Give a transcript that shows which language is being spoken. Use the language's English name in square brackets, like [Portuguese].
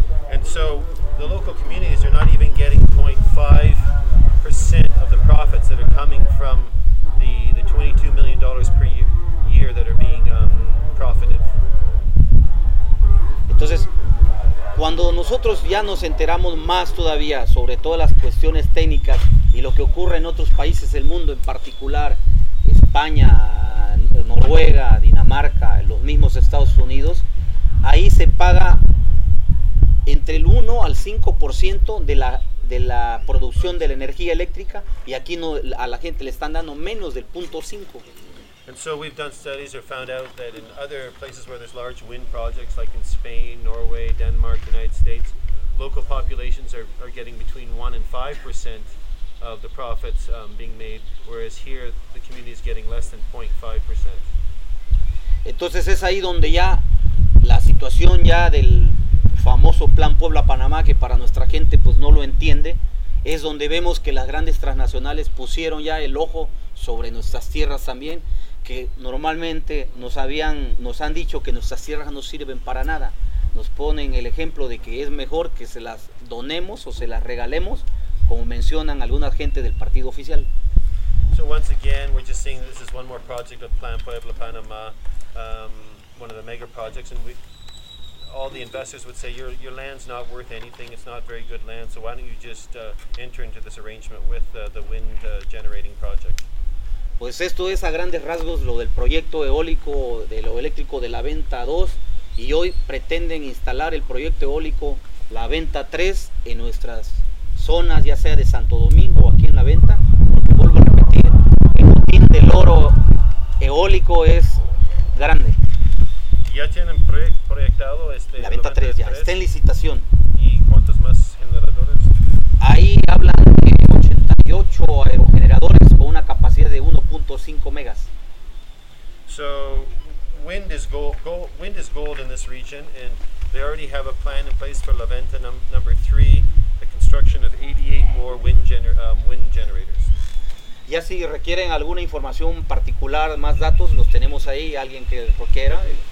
[English] And so the local communities are not even getting 0.5% of the profits that are coming from the $22 million per year that are being profited. [Spanish] Entonces, cuando nosotros ya nos enteramos más todavía sobre todas las cuestiones técnicas y lo que ocurre en otros países del mundo, en particular España, Noruega, Dinamarca, los mismos Estados Unidos, ahí se paga entre el 1 al 5% de la producción de la energía eléctrica, y aquí no, a la gente le están dando menos del 0.5. [English] And so we've done studies or found out that in other places where there's large wind projects like in Spain, Norway, Denmark, United States, local populations are getting between 1 and 5% of the profits being made, whereas here the community is getting less than 0.5%. [Spanish] Entonces es ahí donde ya la situación ya del famoso Plan Puebla Panamá, que para nuestra gente pues no lo entiende, es donde vemos que las grandes transnacionales pusieron ya el ojo sobre nuestras tierras también, que normalmente nos han dicho que nuestras tierras no sirven para nada. Nos ponen el ejemplo de que es mejor que se las donemos o se las regalemos, como mencionan alguna gente del partido oficial. [English] So once again, we're just seeing this is one more project of Plan Puebla Panamá, one of the mega projects, and all the investors would say your land's not worth anything, it's not very good land, so why don't you just enter into this arrangement with the wind generating project. [Spanish] Pues esto es a grandes rasgos lo del proyecto eólico, de lo eléctrico de la Venta 2, y hoy pretenden instalar el proyecto eólico la Venta 3 en nuestras zonas, ya sea de Santo Domingo o aquí en la Venta, porque vuelvo a repetir, el botín del oro eólico es grande. ¿Ya tienen proyectado este? La Venta 3 ya, está en licitación. ¿Y cuántos más generadores? Ahí hablan de 88 aerogeneradores con una capacidad de 1.5 megas. [English] So, wind is gold in this region, and they already have a plan in place for La Venta number 3, the construction of 88 more wind generators. [Spanish] Ya si requieren alguna información particular, más datos, los tenemos ahí, alguien que lo quiera.